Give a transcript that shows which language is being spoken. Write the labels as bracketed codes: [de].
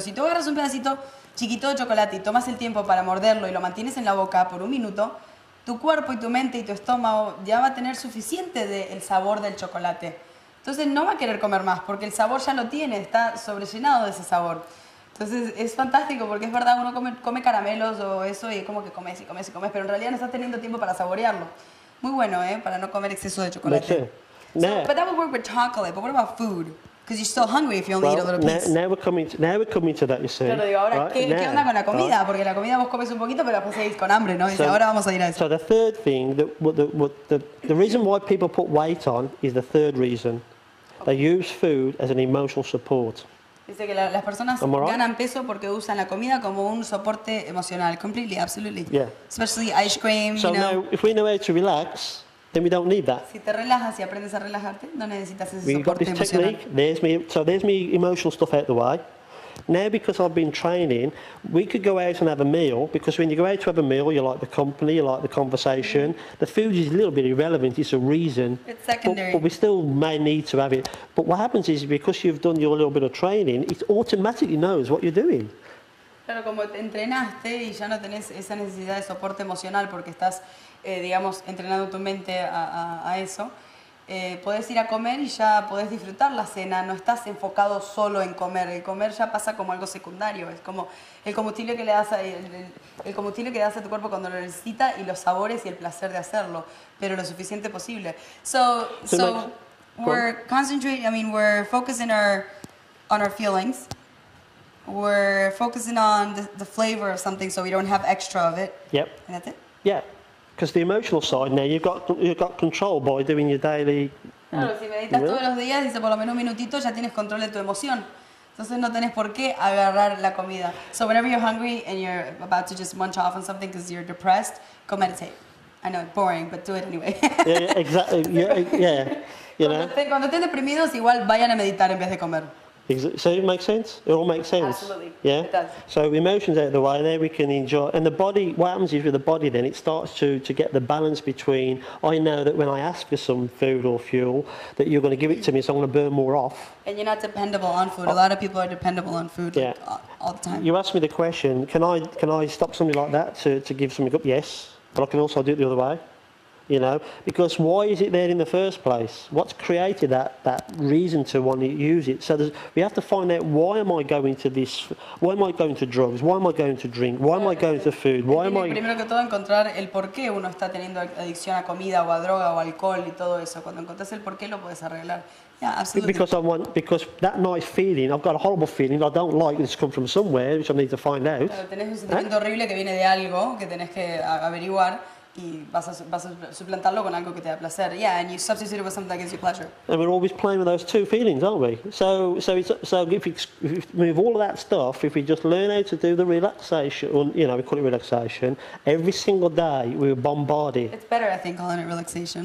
[es] Si tú agarras un pedacito chiquito de chocolate y tomas el tiempo para morderlo y lo mantienes en la boca por un minuto, tu cuerpo y tu mente y tu estómago ya va a tener suficiente del sabor del chocolate. Entonces no va a querer comer más porque el sabor ya lo tiene, está sobrellenado de ese sabor. Entonces es fantástico porque es verdad, uno come caramelos o eso y como que comes y comes y comes, pero en realidad no estás teniendo tiempo para saborearlo. Muy bueno, ¿eh? Para no comer exceso de chocolate. No. [en] So, but that would work with chocolate, but what about food? Because you're still hungry if you only eat a little piece. Now we're coming to that, you see. [es] Claro, digo, ahora, right? ¿Qué onda con la comida? Right. Porque la comida vos comes un poquito, pero después seguís con hambre, ¿no? Y ahora vamos a ir a eso. [en] So the third thing, the reason why people put weight on is the third reason. Okay. They use food as an emotional support. [es] Dice que las personas ganan peso porque usan la comida como un soporte emocional. [en] Completely, absolutely. Yeah. Especially ice cream, so you know. So now, if we know how to relax, then we don't need that. [es] Si te relajas y aprendes a relajarte, no necesitas ese [en] we've [es] soporte [en] got this [es] emocional. [en] Technique. There's me, so there's me emotional stuff out the way. Now, because I've been training, we could go out and have a meal, because when you go out to have a meal, you like the company, you like the conversation. Mm-hmm. The food is a little bit irrelevant, it's a reason. It's secondary. But we still may need to have it. But what happens is, because you've done your little bit of training, it automatically knows what you're doing. [es] Claro, como te entrenaste y ya no tenés esa necesidad de soporte emocional porque estás, digamos, entrenando tu mente a eso, podés ir a comer y ya podés disfrutar la cena, no estás enfocado solo en comer. El comer ya pasa como algo secundario, es como el combustible que le das el combustible que das a tu cuerpo cuando lo necesita y los sabores y el placer de hacerlo, pero lo suficiente posible. [en] So we're concentrating, I mean, we're focusing on our feelings. We're focusing on the flavor of something so we don't have extra of it. Yep. And that's it? Yeah. Because the emotional side now, you've got control by doing your daily... [es] Claro, si meditas todos los días, dice por lo menos un minutito, ya tienes control de tu emoción. Entonces no tenés por qué agarrar la comida. [en] So whenever you're hungry and you're about to just munch off on something because you're depressed, go meditate. I know, boring, but do it anyway. Yeah, exactly. Yeah. You [es] cuando estén deprimidos, igual vayan a meditar en vez de comer. [en] So it makes sense? It all makes sense? Absolutely. Yeah? It does. So emotions out of the way, there we can enjoy. And the body, what happens is with the body then, it starts to get the balance between, I know that when I ask for some food or fuel, that you're going to give it to me, so I'm going to burn more off. And you're not dependable on food. A lot of people are dependable on food like, all the time. You asked me the question, can I stop somebody like that to give something up? Yes. But I can also do it the other way. You know, because why is it there in the first place? What's created that reason to want to use it? So we have to find out, why am I going to this? Why am I going to drugs? Why am I going to drink? Why am I going to food? Why am I? [es] Primero que todo, encontrar el por qué uno está teniendo adicción a comida o a droga o alcohol y todo eso. Cuando encontrás el por qué, lo puedes arreglar. [en] Yeah, absolutely. Because that nice feeling, I've got a horrible feeling I don't like, it's come from somewhere, which I need to find out. [es] Pero tenés un sentimiento horrible que viene de algo que tenés que averiguar. Y vas a suplantarlo con algo que te da placer. [en] Yeah, and you substitute it with something that gives you pleasure. And we're always playing with those two feelings, aren't we? So if we move all of that stuff, if we just learn how to do the relaxation, you know, we call it relaxation, every single day we're bombarded. It's better, I think, calling it relaxation.